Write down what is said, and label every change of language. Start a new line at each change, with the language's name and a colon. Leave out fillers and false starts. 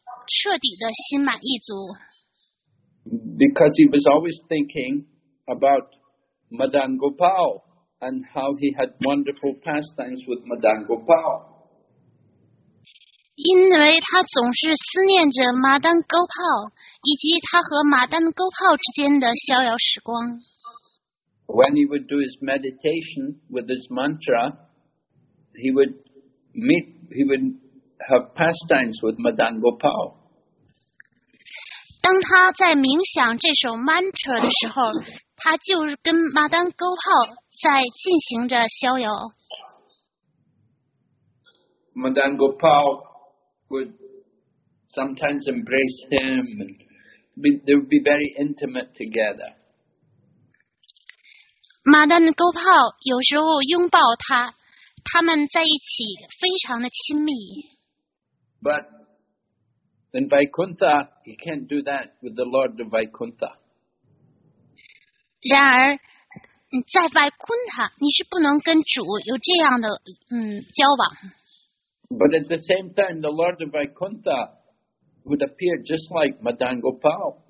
Chinese: 但是他并没有感到彻底的心满意足。
English: Because he was always thinking about Madan Gopal and how he had wonderful pastimes with Madan Gopal.
Chinese: 因为他总是思念着 Madan Gopal 以及他和 Madan Gopal之间的逍遥时光。
English: When he would do his meditation with his mantra, he would have pastimes with Madan Gopal.
Chinese: 当他在冥想这首 mantra的时候, 他就跟 Madan Gopal 在进行着逍遥。
English: Madan Gopal would sometimes embrace him, and they would be very intimate together.
Chinese: Madan Gopal 有时候拥抱他。他们在一起非常的亲密。
English: But in Vaikuntha, he can't do that with the Lord of Vaikuntha.
Chinese: 然而，在Vaikuntha，你是不能跟主有这样的交往。
English: But at the same time, the Lord of Vaikuntha would appear just like Madan Gopal.